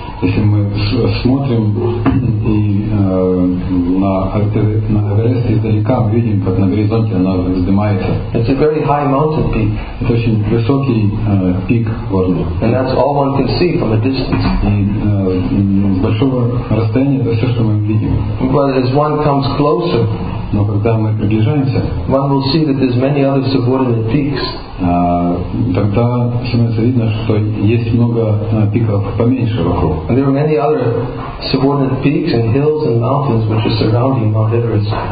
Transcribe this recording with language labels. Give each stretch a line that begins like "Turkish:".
Russian: Если мы смотрим и на Эверест издалека видим, как на горизонте она вздымается.
English: It's a very high mountain peak.
Russian: Это очень высокий пик горный.
English: And that's all one can see from a distance.
Russian: И с большого расстояния это все, что мы видим.
English: But as one comes closer.
Russian: Но когда мы приближаемся,
English: one will see that there's many other subordinate peaks.
Russian: Тогда становится видно, что есть много пиков поменьше вокруг.
English: And there are many other subordinate peaks and hills and mountains which are surrounding Mount Everest.